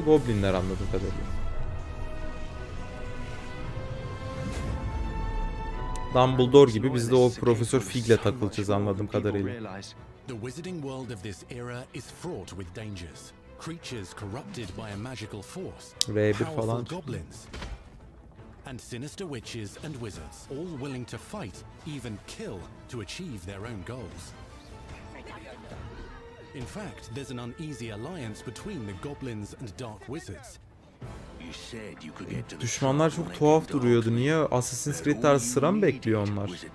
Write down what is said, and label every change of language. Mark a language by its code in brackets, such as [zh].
[tr] Goblinler anladım kadarıyla. Dumbledore gibi biz de o Profesör Fig'le takılacağız anladığım kadarıyla. [en] The wizarding world of this era is fraught with dangers. Creatures corrupted by a magical force. R1 falan. Goblins and sinister witches and wizards, all willing to fight, even kill to achieve their own goals. In fact, there's an uneasy alliance between the goblins and dark wizards. You said you could get to the [tr] düşmanlar çok tuhaf duruyordu. Niye Assassin's Creed tarzı sıra mı bekliyor onlar?